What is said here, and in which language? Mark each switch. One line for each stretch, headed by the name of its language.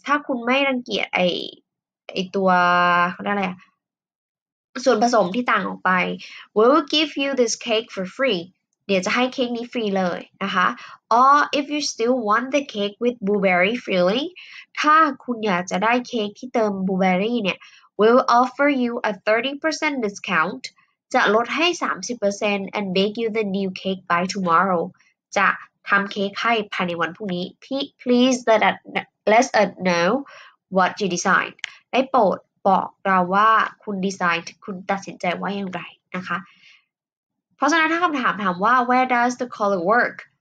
Thai: ถ้าคุณไม่รังเกียจไอตัวเขาเรียกอะไรส่วนผสมที่ต่างออกไป
English: We will give you this cake for free.
Thai: เดี๋ยวจะให้เค้กนี้ฟรีเลยนะคะ
English: Or if you still want the cake with blueberry filling.
Thai: ถ้าคุณอยากจะได้เค้กที่เติม blueberry เนี่ย
English: We'll offer you a 30% discount.
Thai: จะลดให้ 30%
English: and bake you the new cake by tomorrow.
Thai: จะทำเค้กให้ภายในวันพรุ่งนี้
English: Please let us know what you designed.
Thai: ได้โปรดบอกเราว่าคุณดีไซน์คุณตัดสินใจว่าอย่างไรนะคะเพราะฉะนั้นถ้าคำถามถามว่า
English: Where does the caller work?